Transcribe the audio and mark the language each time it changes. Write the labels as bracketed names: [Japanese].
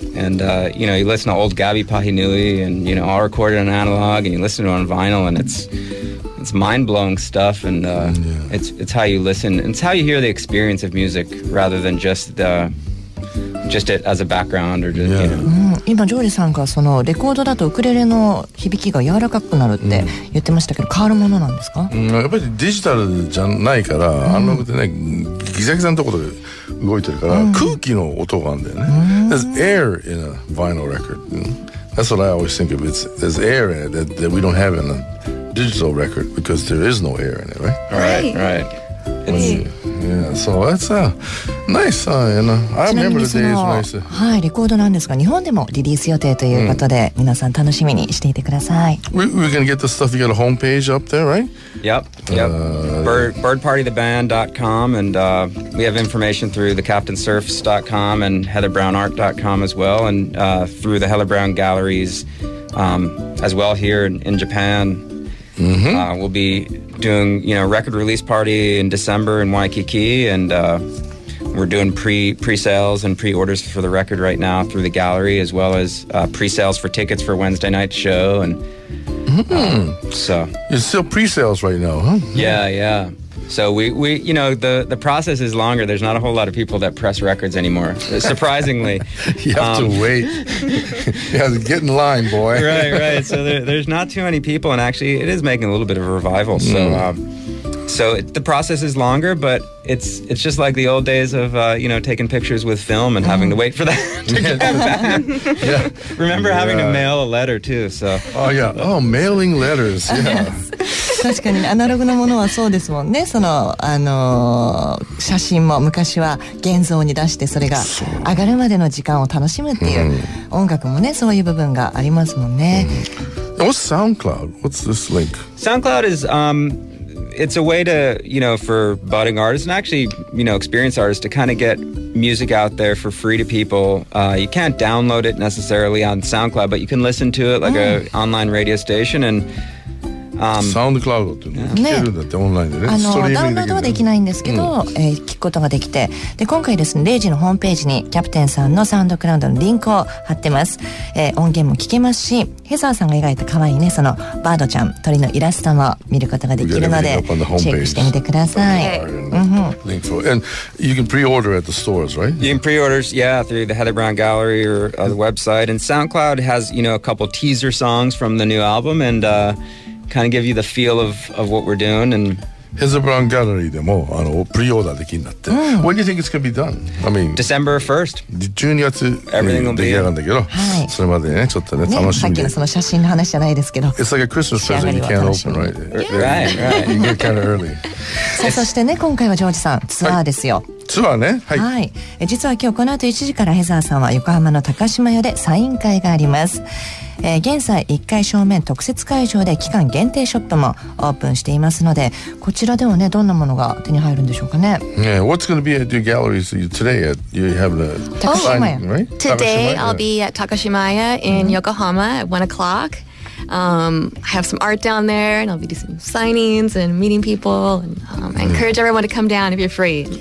[English] And, you know, you listen to old Gabby Pahinui and, you know, all recorded on analog and you listen to it on vinyl and it's mind-blowing stuff and it's how you listen. And it's how you hear the experience of music rather than just it as a background or just, you know. [Japanese] 今ジョージさんがそのレコードだとウクレレの響きが柔らかくなるって言ってましたけど、変わるものなんですか？やっぱりデジタルじゃないから、アナログでね、ギザギザのところで動いてるから、空気の音があるんだよね。 [English] There's air in a vinyl record. That's what I always think of. There's air in it that we don't have in a digital record because there is no air in it, right? Right, right. Yeah, so that's nice. You know, I remember the days when I used to. [Japanese] はい、レコードなんですが、日本でもリリース予定ということで、皆さん楽しみにしていてください。 [English] We're gonna get the stuff. You got a homepage up there, right? Yep. Birdpartytheband.com, and we have information through thecaptainsurfs.com and heatherbrownart.com as well, and through the Heather Brown Galleries as well here in Japan. We'll be doing, you know, record release party in December in Waikiki, and we're doing pre-sales and pre-orders for the record right now through the gallery, as well as pre-sales for tickets for Wednesday night's show. And so it's still pre-sales right now, huh? Yeah. So we you know, the process is longer. There's not a whole lot of people that press records anymore, surprisingly. You have to wait. You have to get in line, boy. Right. So there's not too many people, and actually it is making a little bit of a revival. So the process is longer, but it's just like the old days of, you know, taking pictures with film and having to wait for that to get back. Yeah. Remember having to mail a letter, too, so. Oh, yeah. Oh, mailing letters. Yeah. [Japanese] Yes. 確かにアナログのものはそうですもんね。その、写真も昔は現像に出して、それが上がるまでの時間を楽しむっていう、音楽もね、そういう部分がありますもんね。 [English] What's SoundCloud? What's this link? SoundCloud is, it's a way to, you know, for budding artists and actually, you know, experienced artists to kind of get music out there for free to people. You can't download it necessarily on SoundCloud, but you can listen to it like an online radio station. And [Japanese] SoundCloud って聞けるんだって、ね、オンラインでね、ダウンロードはできないんですけど、聞くことができて、で今回ですね、レイジのホームページにキャプテンさんのサウンドクラウドのリンクを貼ってます、音源も聞けますし、ヘザーさんが描いた可愛いね、そのバードちゃん鳥のイラストも見ることができるので、チェックしてみてください。リンクフォー、 [English] and you can pre-order at the stores, right? You can pre-order, yeah, through the Heather Brown Gallery or the website, and SoundCloud has, you know, a couple teaser songs from the new album, andKind of give you the feel of what we're doing. And [Japanese] Heather Brown Gallery でもあのpre-orderできるんだって。 [English] When do you think it's going to be done? I mean, December 1st. [Japanese] 12月に [English] Everything will [Japanese] 出来上がるんだけど、はい、それまでね、ちょっとね、楽しみ。さっきのその写真の話じゃないですけど。 [English] It's like a Christmas present you can't open, right? Right. You get kind of early. [Japanese] さあ、そしてね、今回はジョージさん、ツアーですよ。はい、ツアーね。はい、はい。実は今日この後1時からヘザーさんは横浜の高島屋でサイン会があります。現在1階正面特設会場で期間限定ショップもオープンしていますので、こちらでもね、どんなものが手に入るんでしょうかね。 [English] Yeah, what's going to be at your galleries today? At, you have the Takashimaya, right? Today I'll be at Takashimaya in Yokohama at 1 o'clock. I have some art down there, and I'll be doing some signings and meeting people, and I encourage everyone to come down if you're free.